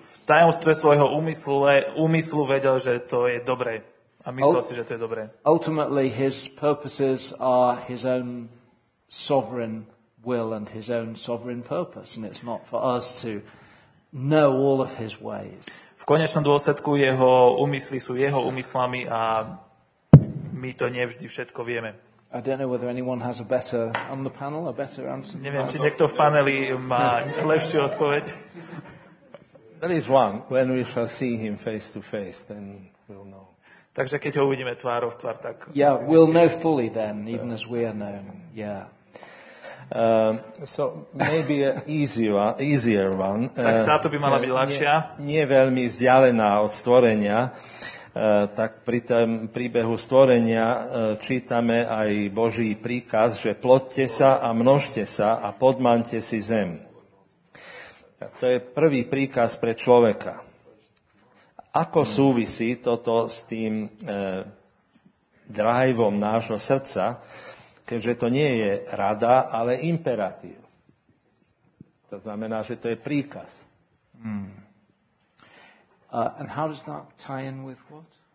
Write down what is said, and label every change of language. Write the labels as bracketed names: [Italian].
[Slovak] V tajomstve svojho úmyslu vedel, že to je dobré. A myslel si, že to je dobré. [English] Ultimately, his purposes are his own sovereign will and his own sovereign purpose. And it's not for us to know all of his ways. [Slovak] V konečnom dôsledku jeho úmysly sú jeho úmyslami a my to nevždy všetko vieme. [English] I don't know whether anyone has a better on the panel, a better answer. [Slovak] Neviem, či niekto v paneli má lepšiu odpoveď. [English] There is one. When we shall see him face to face, then we'll know. [Slovak] Takže keď ho uvidíme tvárou v tvár, tak... [English] Yeah, we'll know fully then, even as we are known. Yeah. So maybe an easier one. [Slovak] Tak táto by mala byť ľahšia. Nie veľmi vzdialená od stvorenia. Tak pri tom príbehu stvorenia čítame aj Boží príkaz, že ploďte sa a množte sa a podmaňte si zem. To je prvý príkaz pre človeka. Ako súvisí toto s tým drivom nášho srdca, keďže to nie je rada, ale imperatív? To znamená, že to je príkaz. [English] And how does that tie in with what?